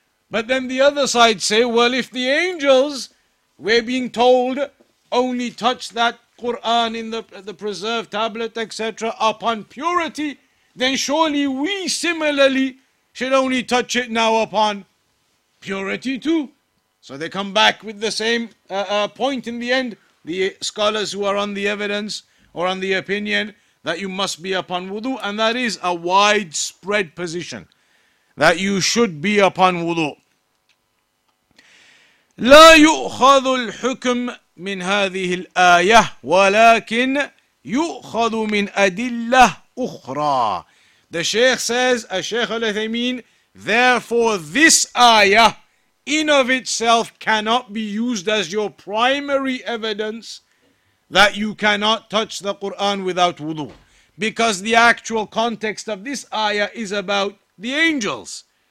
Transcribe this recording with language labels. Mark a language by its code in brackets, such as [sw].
[en] But then the other side say, well, if the angels were being told only touch that Quran in the preserved tablet, etc., upon purity, then surely we similarly should only touch it now upon purity too. So they come back with the same point in the end, the scholars who are on the evidence or on the opinion that you must be upon wudu, and that is a widespread position, that you should be upon wudu. [ar] لا يؤخذ الحكم من هذه الآية ولكن يؤخذ من أدلة أخرى. [en] The Shaykh says, a Shaykh al-Uthaymeen, therefore this ayah in of itself cannot be used as your primary evidence that you cannot touch the Quran without wudu. Because the actual context of this ayah is about the angels.